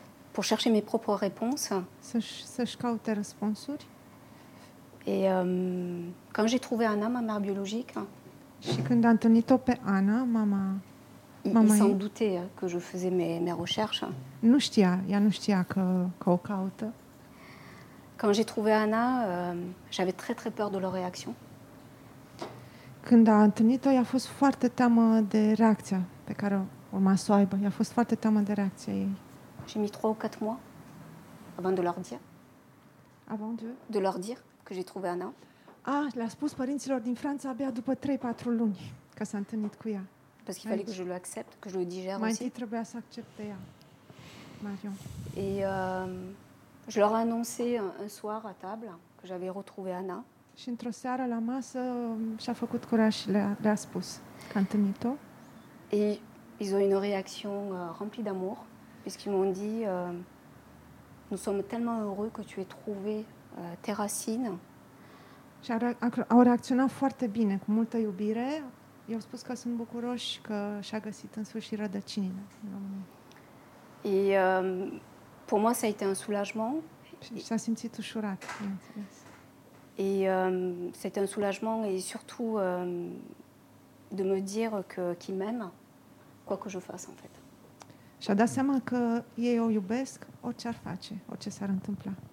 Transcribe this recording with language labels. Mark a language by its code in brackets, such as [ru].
[fr] Pour chercher mes propres réponses. [ro] Să-și caute răspunsuri. [fr] Et quand j'ai trouvé Anna, ma mère biologique. [ro] Și când a întâlnit-o pe Anna, mama [fr] s-a doutait que je faisais mes recherches. [ro] Nu știa, ea nu știa că o caută. [fr] Quand j'ai trouvé Anna, j'avais très très peur de leur réaction. [ro] Când a întâlnit-o, i-a fost foarte teamă de reacția pe care urma să o aibă. I-a fost foarte teamă de reacția ei. [fr] J'ai mis 3 ou 4 mois avant de leur dire. Avant de? De leur dire que j'ai trouvé Anna. [ro] Ah, le-a spus părinților din Franța abia după 3-4 luni că s-a întâlnit cu ea. [fr] Parce qu'il fallait que je l'accepte, que je le digère aussi. [ro] Mai întâi trebuia să accepte ea, Marion. [fr] Et je leur ai annoncé un soir à table que j'avais retrouvé Anna. [ro] Și într-o seară la masă și-a făcut curaj și le-a spus că a întâlnit-o. [fr] Et ils ont une réaction remplie d'amour puisqu'ils m'ont dit nous sommes tellement heureux que tu aies trouvé tes racines. [ro] Și au reacționat foarte bine, cu multă iubire. I-au spus că sunt bucuroși că și-a găsit în sfârșit rădăcinile. [fr] Et pour moi, ça a été un soulagement. [ro] S-a simțit ușurat, bineînțeles. [fr] Et c'était un soulagement et surtout de me dire qu'il m'aime, quoi que je fasse en fait. [ro] Și-a dat seama că ei o iubesc orice ar face, orice s-ar întâmpla.